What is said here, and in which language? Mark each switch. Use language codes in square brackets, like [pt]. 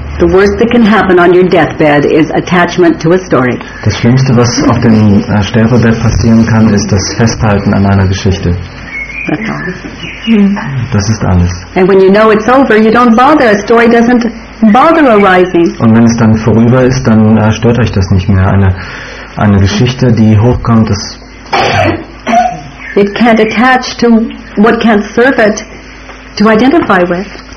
[en] The worst that can happen on your deathbed is attachment to a story. [de] Das Schlimmste, was auf dem Sterbebett passieren kann, ist das Festhalten an einer Geschichte. [en] That's all. [de] Das ist alles. [en] And when you know it's over, you don't bother. A story doesn't bother arising. [de] Und wenn es dann vorüber ist, dann stört euch das nicht mehr. Eine Geschichte, die hochkommt, das. [en] It can't attach to what can't serve it to identify with.